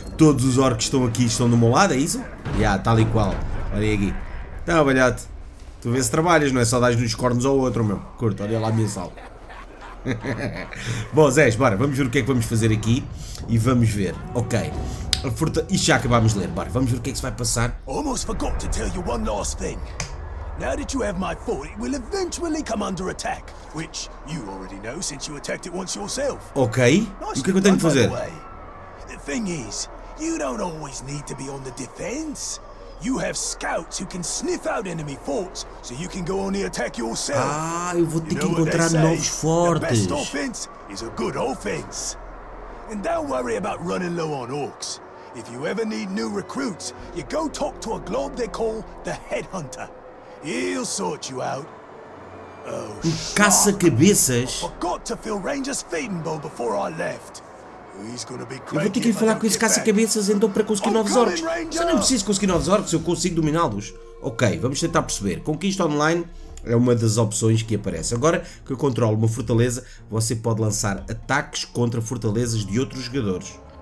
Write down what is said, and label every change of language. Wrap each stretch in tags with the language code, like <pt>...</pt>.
<pt>Todos os orcs que estão aqui estão do meu lado, é isso? Tal e qual. Olhem aqui. Então, balhate. Tu vês se trabalhas, não é só dás-nos cornos ao outro, meu. Curto, olha lá a minha sala. Bom, Zés, bora. Vamos ver o que é que vamos fazer aqui. E vamos ver. Ok. Isto já acabámos de ler, bora, vamos ver o que é que se vai passar.</pt> <en>Almost forgot to tell you one last thing. Now that you have my fort, it will eventually come under attack, which you already know since you attacked it once yourself.</en> <pt>Ok, nice. E o que é que eu tenho de fazer?</pt> <en>The thing is, you don't always need to be on the defense. You have scouts who can sniff out enemy forts, so you can go on the attack yourself.</en> <pt>Ah, eu vou ter que encontrar novos fortes.</pt> <en>The best offense is a good offense. And don't worry about running low on orcs. If you ever need new recruits, you go talk to a glob they call the Headhunter. He'll sort you out.</en> <pt>Oh, caça-cabeças.</pt> <en>I forgot to fill Ranger's feeding bowl before I left. He's gonna be crazy.</en> <pt>Eu vou ter que ir falar com esse caça-cabeças então para conseguir novos orcs. Se eu não preciso conseguir novos orcs, eu consigo dominá-los. Ok, vamos tentar perceber. Conquista online é uma das opções que aparece. Agora que eu controlo uma fortaleza, você pode lançar ataques contra fortalezas de outros jogadores.</pt>